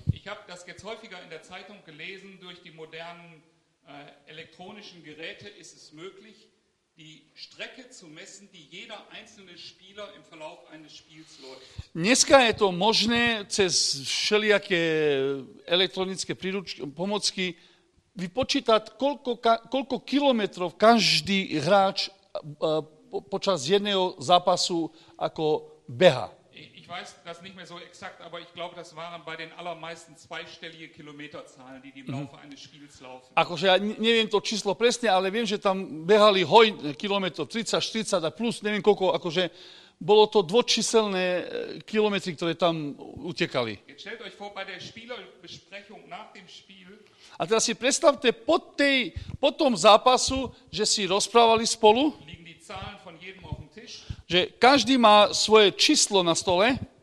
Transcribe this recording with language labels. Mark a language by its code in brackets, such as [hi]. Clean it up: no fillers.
[de] Ich habe das jetzt häufiger in der Zeitung gelesen, durch die modernen elektronischen Geräte ist es möglich, die Strecke zu messen, die jeder einzelne Spieler im Verlauf eines Spiels läuft. [sk] Dneska je to možné cez všelijaké elektronické pomocky vypočítať, koľko kilometrov každý hráč počas jedného zápasu ako beha. [de] Ich weiß das nicht mehr so exakt, aber ich glaube, das waren bei den allermeisten zweistellige Kilometerzahlen, die im Laufe eines Spiels laufen. [sk] Akože ja neviem to číslo presne, ale viem, že tam behali hoj kilometrov 30, 40 a plus, neviem koľko, akože bolo to dvočíselné kilometry, ktoré tam utekali. [de] Jetzt stellt euch vor, bei der Spielerbesprechung nach dem Spiel. [sk] A teraz si predstavte po tom zápasu, že si rozprávali spolu. [de] Liegen die Zahlen von jedem auf dem Tisch. [sk] Že každý má svoje číslo na stole.